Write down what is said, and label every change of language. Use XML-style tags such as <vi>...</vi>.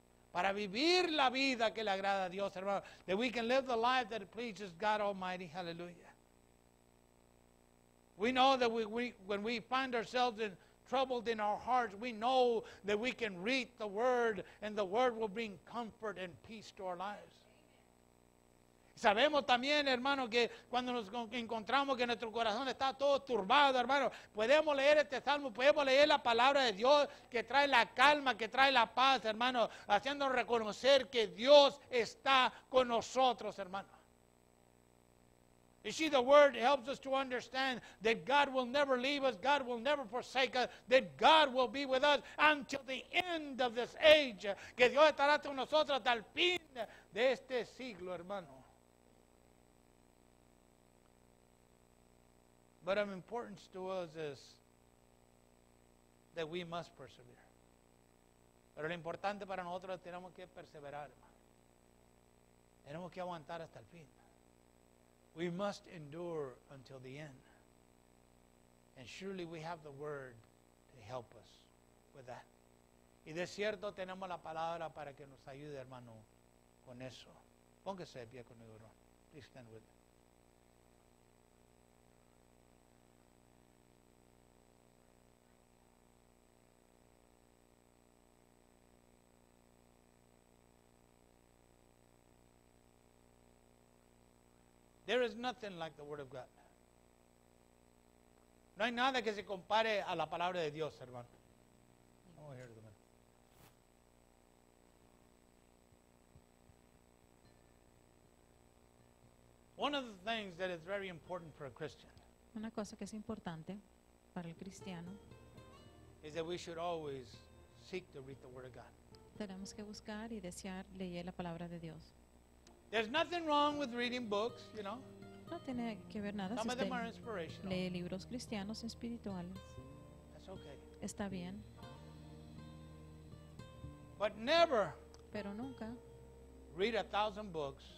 <es>Para vivir la vida que le agrada a Dios, hermano.</es> <en>That we can live the life that pleases God Almighty. Hallelujah. We know that when we find ourselves in troubled in our hearts, we know that we can read the word and the word will bring comfort and peace to our lives.</en> <es>Sabemos también, hermano, que cuando nos encontramos que nuestro corazón está todo turbado, hermano, podemos leer este salmo, podemos leer la palabra de Dios que trae la calma, que trae la paz, hermano, haciéndonos reconocer que Dios está con nosotros, hermano.</es> <en>You see, the word helps us to understand that God will never leave us, God will never forsake us, that God will be with us until the end of this age.</en> <es>Que Dios estará con nosotros hasta el fin de este siglo, hermano.</es> <en>But of importance to us is that we must persevere.</en> <es>Pero lo importante para nosotros es que tenemos que perseverar, hermano. Tenemos que aguantar hasta el fin.</es> <en>We must endure until the end. And surely we have the word to help us with that.</en> <es>Y de cierto tenemos la palabra para que nos ayude, hermano, con eso. Póngase de pie conmigo, hermano.</es> <en>Please stand with me. There is nothing like the word of God.</en> <es>No hay nada que se compare a la palabra de Dios, hermano.</es> <en>Oh, here's the man. One of the things that is very important for a Christian.</en> <es>Una cosa que es importante para el cristiano.</es> <en>Is that we should always seek to read the word of God.</en> <es>Tenemos que buscar y desear leer la palabra de Dios.</es> <en>There's nothing wrong with reading books, you know.</en> <es>No tiene que ver nada.</es> <en>Some of them are inspirational.</en> <es>Lee libros cristianos espirituales.</es> <en>That's okay.</en> <es>Está bien.</es> <en>But never.</en> <es>Pero nunca.</es> <en>Read 1,000 books.</en>